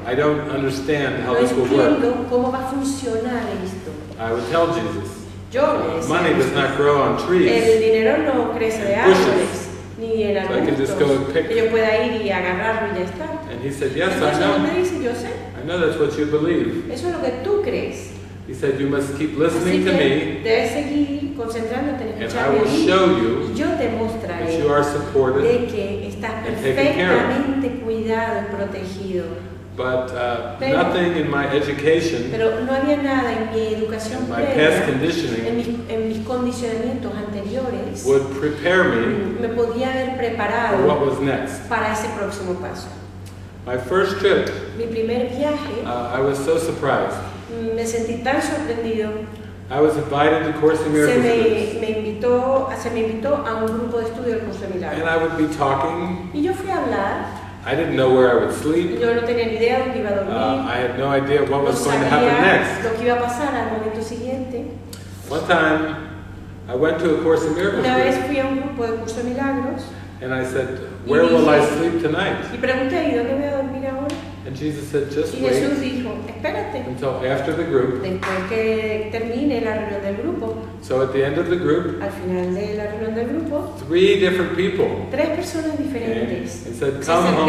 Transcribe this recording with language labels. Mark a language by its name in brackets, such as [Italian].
[English] I don't understand how [Spanish] no [English] this will work. [Spanish] ¿Cómo va a funcionar esto? [English] I would tell Jesus. [Spanish] Decía, [English] money does not grow on trees. [Spanish] El dinero no crece de árboles, [English] bushes. [Spanish] Ni en arbustos. [English] So I can just go and pick. [Spanish] Que yo pueda ir y agarrarlo y ya está. [English] And he said, yes, [Spanish] entonces, [English] I know. [Spanish] Me dice, yo sé. [English] I know that's what you believe. [Spanish] Eso es lo que tú crees. [English] He said, you must keep listening to me. [Spanish] Debes seguir concentrándote en escucharme. [English] And I will show you. [Spanish] Y yo te mostraré. [English] That you are supported. [Spanish] De que estás perfectamente cuidado y protegido. [English] But nothing in my education, [Spanish] pero no había nada en mi educación previa, [English] my past conditioning, [Spanish] en mis condicionamientos anteriores, [English] would prepare me, [Spanish] me podía haber preparado [English] for what was next. [Spanish] Para ese próximo paso. [English] My first trip, [Spanish] mi primer viaje, [English] I was so surprised. [Spanish] Me sentí tan sorprendido. [English] I was invited to Course in Miracles. [Spanish] Se me invitó a un grupo de estudio del Curso de Milagros. [English] And I would be talking. [Spanish] Y yo fui a hablar. [English] I didn't know where I would sleep. [Spanish] Yo no tenía ni idea dónde iba a dormir. [English] I had no idea what was going to happen next. [Spanish] Lo que iba a pasar al momento siguiente. [English] One time, I went to a Course in Miracles. [Spanish] Una vez fui a un grupo de Curso de Milagros. [English] And I said, where will I sleep tonight? [Spanish] Y pregunté, ¿y dónde voy a dormir ahora? [English] And Jesus said, just [Spanish] y Jesús [English] wait [Spanish] dijo, espérate. [English] Until after the group. [Spanish] Después que termine la reunión del grupo. [English] So at the end of the group, [Spanish] al final de la reunión del grupo, [English] three different people, [Spanish] tres personas diferentes, [English] came and said, come home,